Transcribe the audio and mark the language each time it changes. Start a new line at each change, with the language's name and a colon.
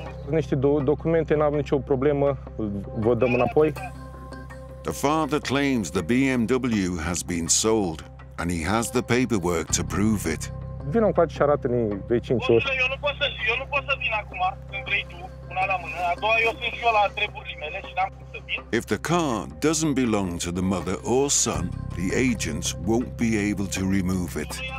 Romanian: Niște documente, n-am nicio problemă, vă dăm înapoi.
English: The father claims the BMW has been sold, and he has the paperwork to prove it.
Romanian: Vino cu aici și arată-ne pe 5 ori. Eu nu pot să vin acum, când vrei tu, una la mână. A doua, eu sunt și eu la treburile mele și n-am cum să vin.
English: If the car doesn't belong to the mother or son, the agents won't be able to remove it.